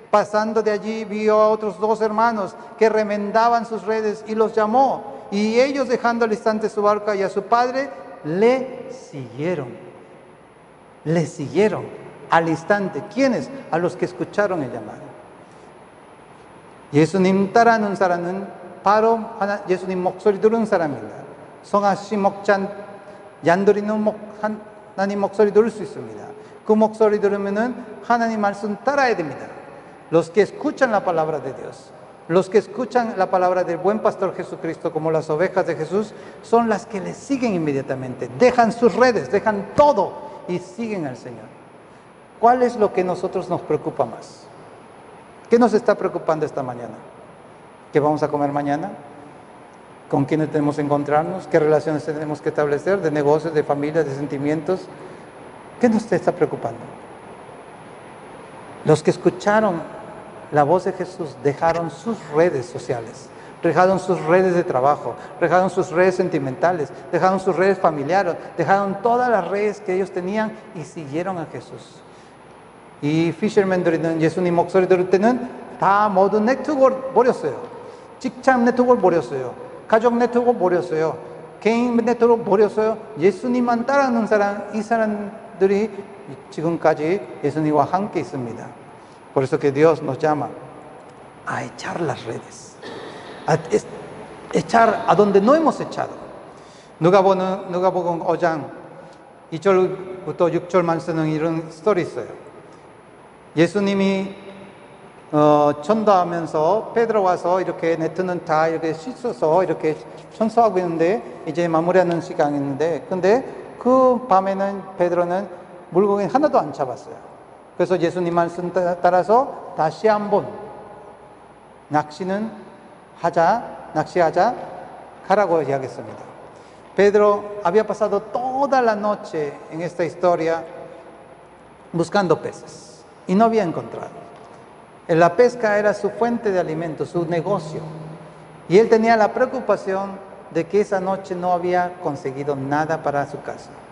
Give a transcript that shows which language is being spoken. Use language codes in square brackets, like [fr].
[es] Pasando de allí, vio a otros dos hermanos que remendaban sus redes y los llamó. Y ellos, dejando al instante su barca y a su padre, le siguieron. Le siguieron al instante. ¿Quiénes? A los que escucharon el llamado. [ko] 예수님 따라하는 사람은 바로 하나, 예수님 목소리 들은 사람입니다. 송아씨 목잔 얀돌이는 목, 하나님 목소리 들을 수 있습니다. 그 목소리 들으면 하나님 말씀 따라야 됩니다. [es] Los que escuchan la palabra de Dios, los que escuchan la palabra del buen pastor Jesucristo como las ovejas de Jesús, son las que le siguen inmediatamente. Dejan sus redes, dejan todo y siguen al Señor. ¿Cuál es lo que a nosotros nos preocupa más? ¿Qué nos está preocupando esta mañana? ¿Qué vamos a comer mañana? ¿Con quiénes tenemos que encontrarnos? ¿Qué relaciones tenemos que establecer? ¿De negocios, de familia, de sentimientos? ¿Qué nos está preocupando? Los que escucharon la voz de Jesús dejaron sus redes sociales, dejaron sus redes de trabajo, dejaron sus redes sentimentales, dejaron sus redes familiares, dejaron todas las redes que ellos tenían y siguieron a Jesús. [ko] Y fishermen들은 예수님 목소리 들을 때는 다 모두 네트워크를 버렸어요. 직장 네트워크를 버렸어요. 가족 네트워크를 버렸어요. 개인 네트워크를 버렸어요. 예수님만 따라하는 사람, 이 사람들이 지금까지 예수님과 함께 있습니다. [es] Por eso que Dios nos llama a echar las redes. A echar a donde no hemos echado. [ko] 누가복음 5장 2절부터 6절만 쓰는 이런 스토리 있어요. 예수님이 전도하면서 베드로 와서 이렇게 네트는 다 이렇게 씻어서 이렇게 청소하고 있는데 이제 마무리하는 시간이 있는데 근데 그 밤에는 베드로는 물고기 하나도 안 잡았어요. 그래서 예수님 말씀 따라서 다시 한번 낚시는 하자, 낚시하자 가라고 이야기했습니다. [es] Pedro había pasado toda la noche en esta historia buscando peces. Y no había encontrado. La pesca era su fuente de alimento, su negocio. Y él tenía la preocupación de que esa noche no había conseguido nada para su casa.